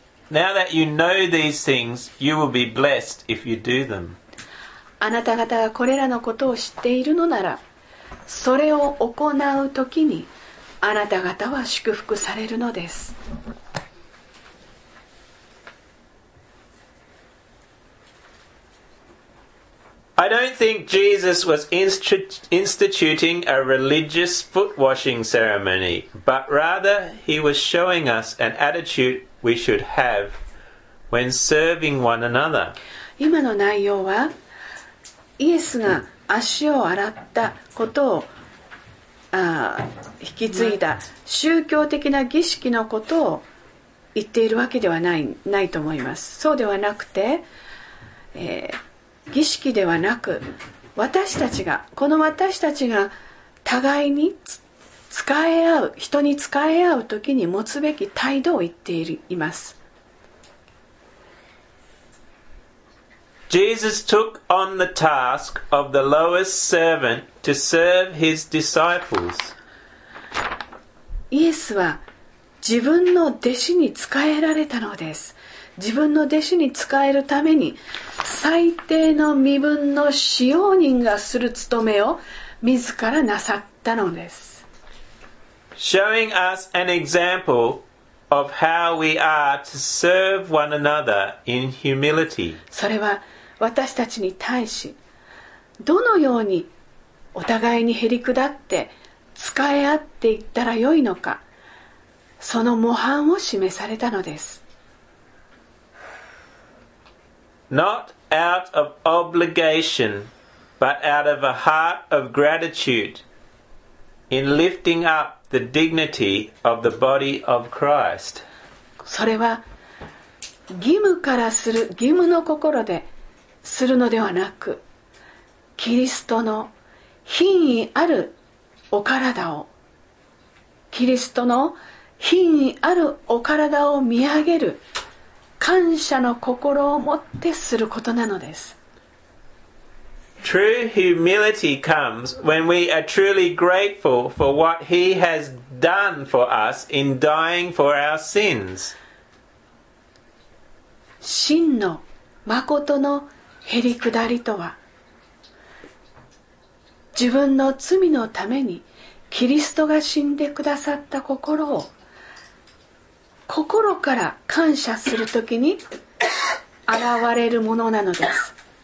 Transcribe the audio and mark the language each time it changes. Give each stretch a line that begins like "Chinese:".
English: Now that you know these things, you will be blessed if you do them.
Japanese: あなた方がこれらのことを知っているのなら、それを行うときに、あなた方は祝福されるのです。
English: I don't think Jesus was instituting a religious foot washing ceremony, but rather he was showing us an attitude we should have when serving one another.
Japanese: 今の内容は、イエスが足を洗ったことを引き継いだ宗教的な儀式のことを言っているわけではないと思います。そうではなくて、儀式ではなく私たちがこの私たちが互いに使い合う人に使い合うときに持つべき態度を言っています
English: Jesus took on the task of the lowest servant to serve his disciples
Japanese: イエスは自分の弟子に仕えられたのです自分の弟子に仕えるために最低の身分の使用人がする務めを自らなさったのです。
English: Showing us an example of how we are to serve one another in humility.
Japanese: それは私たちに対し、どのようにお互いにへり下って仕え合っていったらよいのか、その模範を示されたのです。
English: Not out of obligation, but out of a heart of gratitude in lifting up the dignity of the body of Christ.
Japanese: それは義務からする、義務の心でするのではなく、キリストの品位あるお体を、キリストの品位あるお体を見上げる、感謝の心を持ってすることなのです。
English: True humility comes when we are truly grateful for what He has done for us in dying for our sins.
Japanese: 真の誠のへりくだりとは、自分の罪のためにキリストが死んでくださった心を心から感謝するときに現れるものなのです。